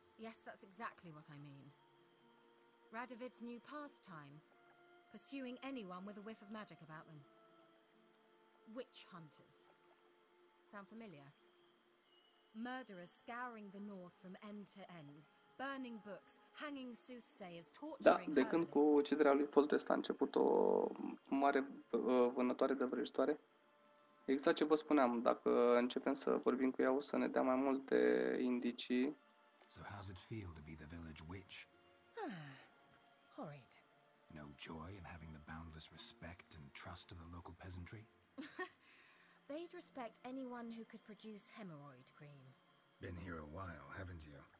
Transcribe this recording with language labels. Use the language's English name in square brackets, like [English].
[English] Yes, that's exactly what I mean. Radovid's new pastime. Pursuing anyone with a whiff of magic about them. Witch hunters. Sound familiar? Murderers scouring the north from end to end, burning books, hanging soothsayers, torturing. [Romanian] Da, de când cu uciderea lui Foltest a început o mare vânătoare de vrăjitoare. Exact ce vă spuneam, dacă începem să vorbim cu ea o să ne dea mai multe indicii. [English] So how's it feel to be the village witch? Ah, horrid. No joy in having the boundless respect and trust of the local peasantry? They'd respect anyone who could produce hemorrhoid cream. Been here a while, haven't you?